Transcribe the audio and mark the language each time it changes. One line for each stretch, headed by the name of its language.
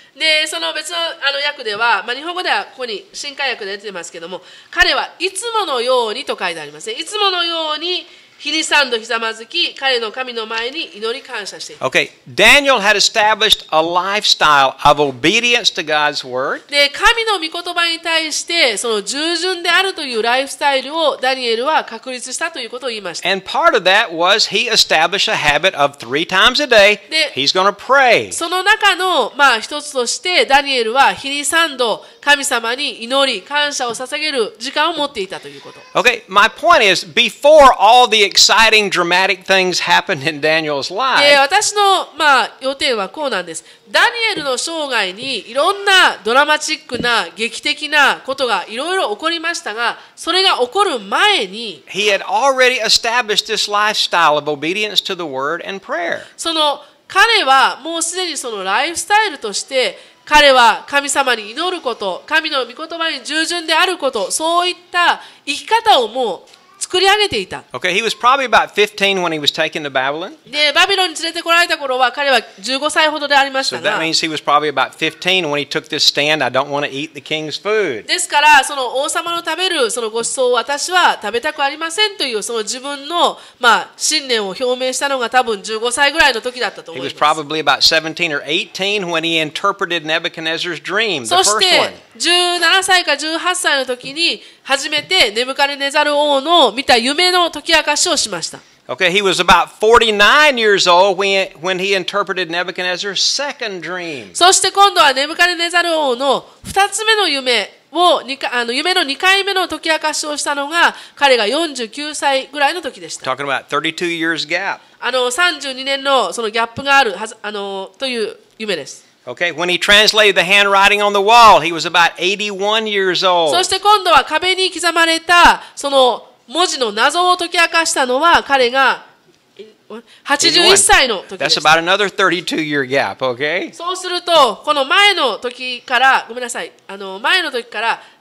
Japanese: で、その別の、あの訳では、まあ、日本語ではここに新改訳で出てますけども、彼はいつものようにと書いてありますね。いつものように日に三度ひざまずき、彼の神の前に祈り感謝していた。
English: Okay. Daniel had established a lifestyle of obedience to God's word.
Japanese: で、神の御言葉に対して、その従順であるというライフスタイルをダニエルは確立したということを言いました。
English: And part of that was he established a habit of three times a day, he's going to pray.
Japanese: その中の、まあ、一つとして、ダニエルは日に三度神様に祈り、感謝を捧げる時間を持っていたということ。
English: Okay. My point is, before all the exciting, dramatic things happened in Daniel's life.
Japanese: 私の、まあ、予定はこうなんです。ダニエルの生涯にいろんなドラマチックな劇的なことがいろいろ起こりましたが、それが起こる前に、
English: He had already established this lifestyle of obedience to the word and prayer.
Japanese: その彼はもうすでにそのライフスタイルとして、彼は神様に祈ること、神の御言葉に従順であること、そういった生き方をもう作り上げていた。
English: Okay, he was probably about 15 when he was taken to Babylon.
Japanese: で、バビロンに連れてこられた頃は彼は15歳ほどでありましたが。
English: So that means he was probably about 15 when he took this stand. I don't want to eat the king's food.
Japanese: ですから、その王様の食べるそのご馳走を私は食べたくありませんというその自分のまあ信念を表明したのが多分15歳ぐらいの時だったと思います。
English: He was probably about 17 or 18 when he interpreted Nebuchadnezzar's dream, the first one.
Japanese: そして17歳か18歳の時に。初めてネブカレネザル王の見た夢の解き明かしをしました。
English: Okay, he was about 49 years old when he interpreted Nebuchadnezzar's second dream.
Japanese: そして今度はネブカレネザル王の二つ目の夢を、あの夢の二回目の解き明かしをしたのが彼が49歳ぐらいの時でした。
English: Talking about 32 years gap.
Japanese: あの32年のそのギャップがあるはず、あのという夢です。
English: Okay, when he translated the handwriting on the wall, he was about 81 years old.
Japanese: そして今度は壁に刻まれたその文字の謎を解き明かしたのは彼が81歳の時です。
English: That's about another 32 year gap, okay?
Japanese: そうするとこの前の時からごめんなさい、あの前の時から